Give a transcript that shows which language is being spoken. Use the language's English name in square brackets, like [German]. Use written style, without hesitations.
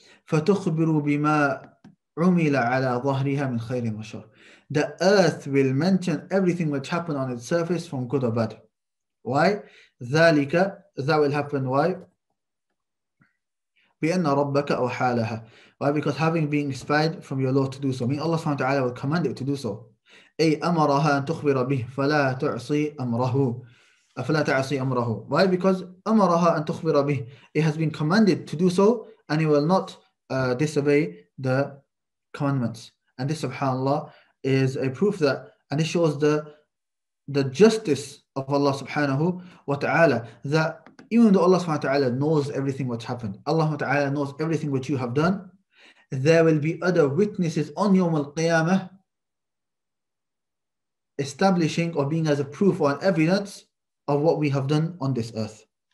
[Arabic] فَتُخْبِرُ بِمَا عُمِلَ عَلَى ظَهْرِهَا مِنْ خَيْرٍ وَشَرٍ. [English] The earth will mention everything which happened on its surface from good or bad. Why? ذَلِكَ. That will happen. Why? [Arabic] بِأَنَّ رَبَّكَ أَوْحَى لَهَا. [English] Why? Because having been inspired from your Lord to do so. I mean, Allah subhanahu wa ta'ala will command it to do so. [Arabic] أي أمرها أن تخبر به فلا تعصي أمره. فلا تعصي أمره. [English] Why? [Arabic] Because أمرها أن تخبر به. [English] It has been commanded to do so, and it will not disobey the commandments. And this, subhanAllah, is a proof that, and it shows the justice of Allah subhanahu wa ta'ala, that even though Allah subhanahu wa ta'ala knows everything what's happened, Allah subhanahu wa ta'ala knows everything which you have done, there will be other witnesses on Yawm al-Qiyamah establishing or being as a proof or an evidence of what we have done on this earth.